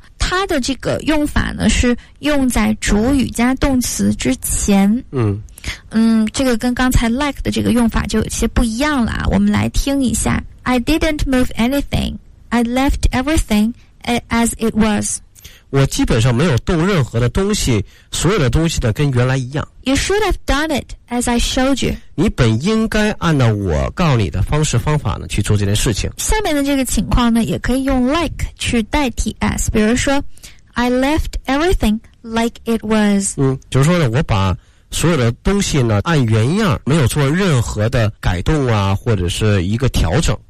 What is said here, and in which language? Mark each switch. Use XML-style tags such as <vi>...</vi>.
<zh>它的这个用法呢是用在主语加动词之前。这个跟刚才 like 的这个用法就有些不一样了啊，我们来听一下。</zh> <en>I didn't move anything. I left everything as it was.</en> <zh>我基本上没有动任何的东西，所有的东西呢跟原来一样。</zh> <en>You should have done it as I showed you.</en> <zh>你本应该按照我告诉你的方式方法呢去做这件事情。下面的这个情况呢也可以用 like 去代替 as， 比如说</zh> <en>I left everything like it was。</en> <zh>就是说呢我把所有的东西呢按原样，没有做任何的改动啊或者是一个调整。</zh>